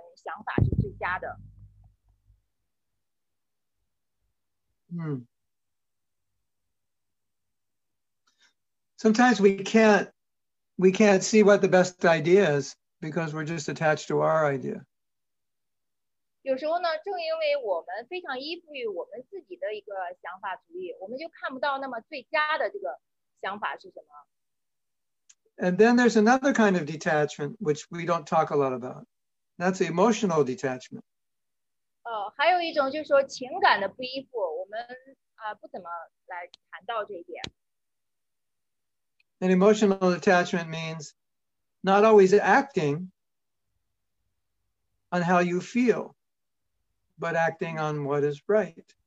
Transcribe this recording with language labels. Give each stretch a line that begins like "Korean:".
Chinese: 就是我们有时候看到一个团体当中呢，这个其中一位奉献者呢，他有自己的一个想法，第二个奉献者、第三个奉献者都有自己的想法，他们想法都不一样，然后呢，他们就没有这种足够的这种不依附，可以就是说能够退一步，看一下到底这个从客观上来讲，谁的这种想法是最佳的。嗯。
English: Sometimes we can't see what the best idea is because we're just attached to our idea.
Chinese: 有时候呢，正因为我们非常依附于我们自己的一个想法主义，我们就看不到那么最佳的这个想法是什么。
English: And then there's another kind of detachment which we don't talk a lot about. That's emotional detachment.
Chinese: 还有一种就是说情感的不依附，我们不怎么来谈到这一点。
English: An emotional attachment means not always acting on how you feel, but acting on what is right.